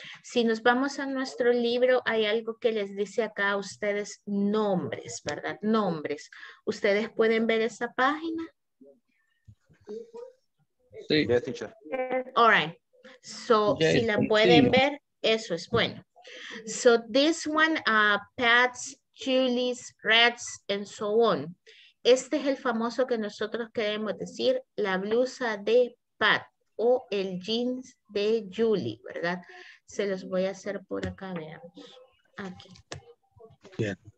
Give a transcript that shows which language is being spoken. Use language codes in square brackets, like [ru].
[es] Si nos vamos a nuestro libro, hay algo que les dice acá a ustedes, nombres, ¿verdad? Nombres. ¿Ustedes pueden ver esa página? Sí, [en] teacher. All right. So, [es] si la pueden ver, eso es bueno. [en] So this one, Pat's, Julie's, Red's, and so on. [es] Este es el famoso que nosotros queremos decir, la blusa de Pat o el jeans de Julie, ¿verdad? Se los voy a hacer por acá, veamos. Aquí. Bien.